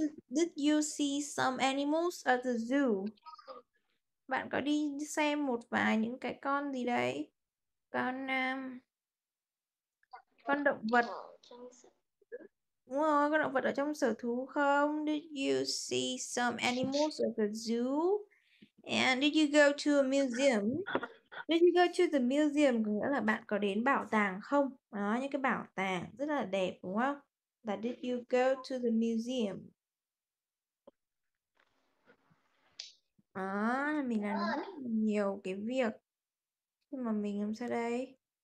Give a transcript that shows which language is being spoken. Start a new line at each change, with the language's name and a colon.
English: Did you see some animals at the zoo?
Vietnamese: Bạn có đi xem một vài những cái con gì đấy? Con động vật. Đúng rồi, con động vật ở trong sở thú không?
English: Did you see some animals at the zoo? And did you go to a museum? Did you go to the museum?
Vietnamese: Có nghĩa là bạn có đến bảo tàng không? Đó, những cái bảo tàng rất là đẹp đúng không? Là
English: did you go to the museum?
Vietnamese: Đó, mình làm rất nhiều cái việc. Khi mà mình làm sao đây?